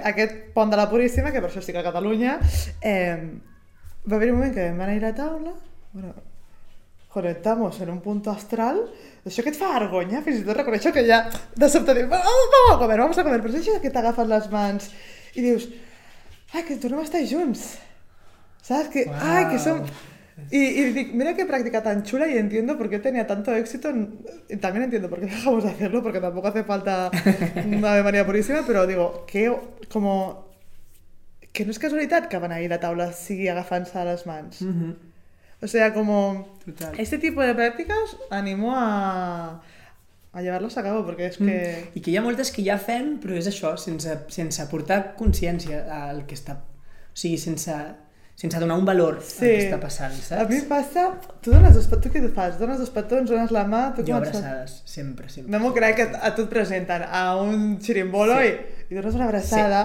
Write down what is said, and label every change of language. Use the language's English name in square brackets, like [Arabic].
[Catalan] aquest pont de la Puríssima, que per això estic a Catalunya, va haver un moment que vam beneir la taula, bueno, [Spanish] connectamos en un punto astral. [Catalan] Això que et fa vergonya, fins i tot reconeixo que ja de sobte dius, [Spanish] vamos a comer, [Catalan] però és això que t'agafes les mans i dius, ai, que tornem a estar junts, saps? Que, wow. Ai, que som... I dic, mira que pràctica tan xula i [Spanish] entiendo por qué tenía tanto éxito y también entiendo por qué dejamos de hacerlo porque tampoco hace falta una Ave María Purísima, pero digo, que como... [Catalan] que no és casualitat que van a ir a taula sigui agafant-se a les mans. Mm-hmm. [Spanish] O sea, como [Catalan] Total. [Spanish] Este tipo de prácticas animo a llevarlos a cabo, porque es que... [Catalan] I que hi ha moltes que ja fem, però és això, sense portar consciència al que està... O sigui, sense donar un valor sí. al que està passant, saps? A mi passa... Tu dones dos petons, tu què et fas? Dones dos petons, dones la mà... Tu jo abraçades, sempre. No m'ho crec que a tu et presenten a un xirimbolo sí. i dones una abraçada...